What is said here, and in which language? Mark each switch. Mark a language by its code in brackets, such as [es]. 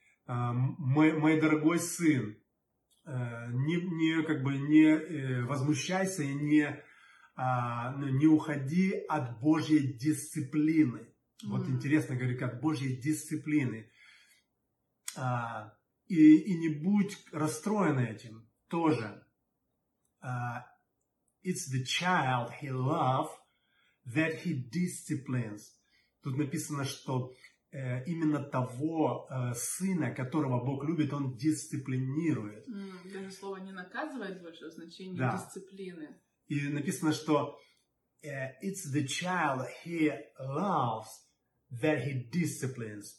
[ru] Мой дорогой сын, не возмущайся и не уходи от Божьей дисциплины. Mm-hmm. Вот интересно, говорит, от Божьей дисциплины. И не будь расстроен этим тоже. [en] It's the child he loves that he disciplines. [ru] Тут написано, что именно того сына, которого Бог любит, он дисциплинирует. Даже слово не наказывает больше, значение да. Дисциплины. И написано, что [en] it's the child he loves that he disciplines.